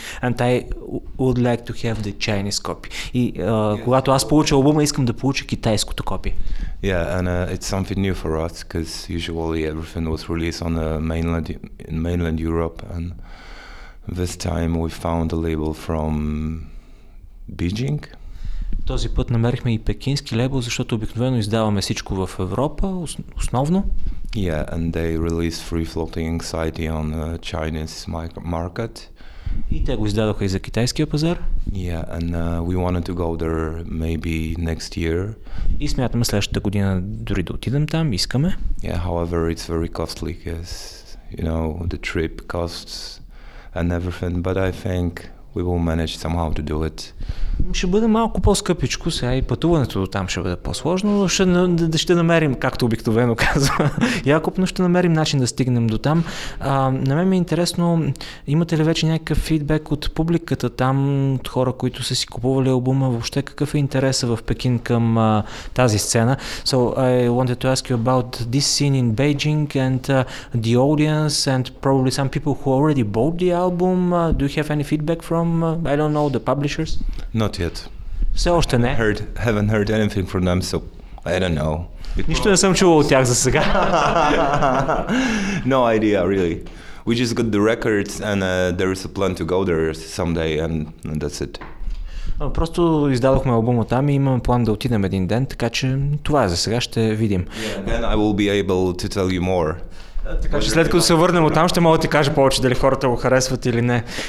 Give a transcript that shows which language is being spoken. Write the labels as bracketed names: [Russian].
[English] And I would like to have the Chinese copy. [Bulgarian] И когато аз получа албума, искам да получа китайското копие. [English] Yeah, and it's something new for us, because usually everything was released on the mainland, in mainland Europe, and this time we found a label from Beijing. [Bulgarian] Този път намерихме и пекински лейбъл, защото обикновено издаваме всичко в Европа, основно. [English] Yeah, and they released Free Floating Anxiety on the Chinese market. [Bulgarian] И те го издадоха и за китайския пазар. [English] Yeah, and we wanted to go there maybe next year. [Bulgarian] И смятаме следващата година дори да отидем там, искаме. [English] Yeah, however, it's very costly, because, you know, the trip costs and everything, but I think we will manage somehow to do it. [Bulgarian] Ще бъде малко по-скъпичко сега и пътуването до там ще бъде по-сложно, но ще намерим, както обикновено казва Якоб, но ще намерим начин да стигнем до там. На мен ми е интересно, имате ли вече някакъв фидбек от публиката там, от хора, които са си купували албума, въобще какъв е интересът в Пекин към тази сцена? [English] So I wanted to ask you about this scene in Beijing and the audience and probably some people who already bought the album. Do you have any feedback from, I don't know, the publishers? Not yet. [Bulgarian] Все още не. [English] Haven't heard anything from them, so I don't know. [Bulgarian] Нищо не съм чувал от тях за сега. [English] No idea, really. We just got the records and there is a plan to go there someday and that's it. [Bulgarian] Просто издадохме албума там и имаме план да отидем един ден, така че това е за сега, ще видим. [English] Yeah, then I will be able to tell you more. [Bulgarian] Така че след като се върнем от там, ще мога да ти кажа повече дали хората го харесват или не.